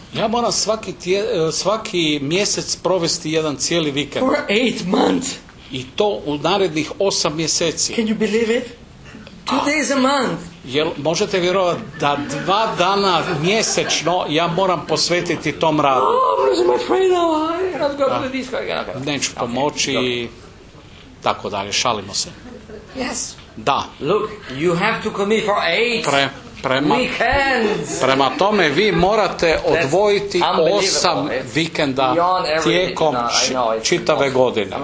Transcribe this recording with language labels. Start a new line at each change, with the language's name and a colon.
Croatian: Ja moram svaki mjesec provesti jedan cijeli vikend.
English: For 8 months.
Croatian: I to u narednih 8 mjeseci.
English: Can you believe it? 2 days a month.
Croatian: Jel možete vjerovati da 2 dana mjesečno ja moram posvetiti tom radu?
English: Oh, my friend, I'm not going to do this again.
Croatian: Neću pomoći i tako dalje, šalimo se.
English: Yes.
Croatian: Da.
English: Look, you have to commit for 8 weekends.
Croatian: Prema tome vi morate odvojiti 8 vikenda tijekom čitave godine.